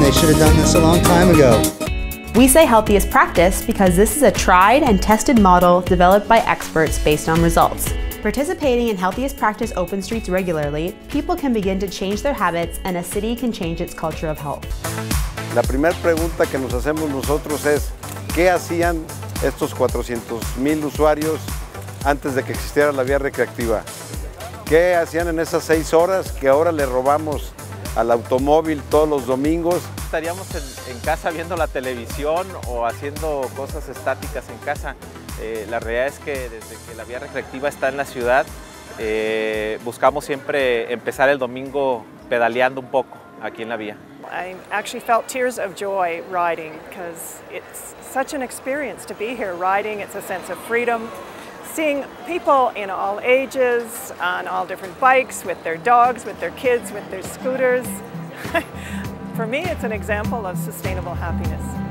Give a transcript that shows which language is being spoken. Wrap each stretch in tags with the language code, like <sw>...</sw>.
<en>They should have done this a long time ago. We say healthy is practice because this is a tried and tested model developed by experts based on results. Participating in Healthiest Practice Open Streets regularly, people can begin to change their habits and a city can change its culture of health.</en> <es>La primera pregunta que nos hacemos nosotros es, ¿qué hacían estos 400,000 usuarios antes de que existiera la vía recreativa? ¿Qué hacían en esas 6 horas que ahora le robamos al automóvil todos los domingos? Estaríamos en casa viendo la televisión o haciendo cosas estáticas en casa. La realidad es que desde que la vía recreativa está en la ciudad, buscamos siempre empezar el domingo pedaleando un poco aquí en la vía.</es> <en>I actually felt tears of joy riding because it's such an experience to be here riding. It's a sense of freedom. Seeing people in all ages, on all different bikes, with their dogs, with their kids, with their scooters. For me, it's an example of sustainable happiness.</en>